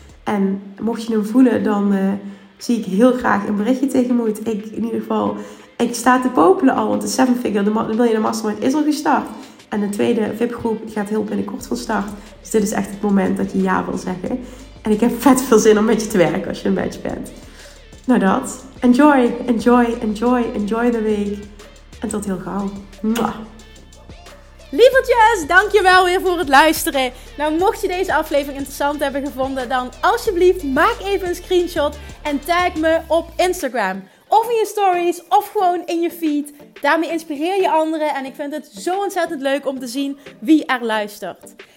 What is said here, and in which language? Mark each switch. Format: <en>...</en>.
<nl>En mocht je hem voelen, dan zie ik heel graag een berichtje tegenmoet. Ik sta te popelen al, want de 7-figure, de Million Mastermind is al gestart. En de tweede VIP-groep gaat heel binnenkort van start. Dus dit is echt het moment dat je ja wil zeggen. En ik heb vet veel zin om met je te werken als je een match bent. Nou dat.</nl> <en>Enjoy, enjoy, enjoy, enjoy the week.</en> <nl>En tot heel gauw. Mwah. Lievertjes, dankjewel weer voor het luisteren. Nou, mocht je deze aflevering interessant hebben gevonden, dan alsjeblieft maak even een screenshot en tag me op Instagram. Of in je stories, of gewoon in je feed. Daarmee inspireer je anderen en ik vind het zo ontzettend leuk om te zien wie er luistert.</nl>